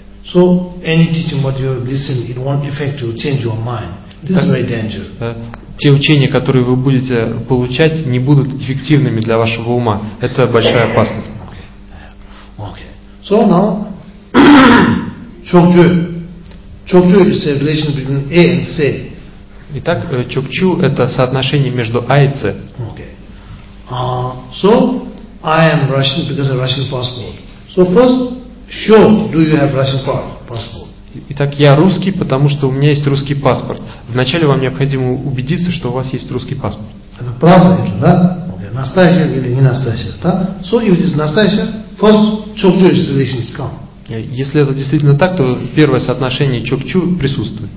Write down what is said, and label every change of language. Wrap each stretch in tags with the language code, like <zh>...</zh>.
<en>So any teaching what you listen, it won't affect you, change your mind. This is very dangerous.</en> <ru>Те учения, которые вы будете получать, не будут эффективными для вашего ума. Это большая опасность.</ru> <en>Okay. So now, чокчу. Чокчу is a relation between A and C.</en> <ru>Итак, чокчу это соотношение между А и С.</ru> <en>Okay. So I am Russian because of Russian passport. So first, show, do you have Russian passport?</en> <ru>Итак, я русский, потому что у меня есть русский паспорт. Вначале вам необходимо убедиться, что у вас есть русский паспорт. Это правда, это, да?</ru> <en>Okay.</en> <ru>Настоящая или не настоящая, да?</ru> <en>So if it is настоящая, first чок чу is relationship come.</en> <ru>Если это действительно так, то первое соотношение чок чу присутствует.</ru>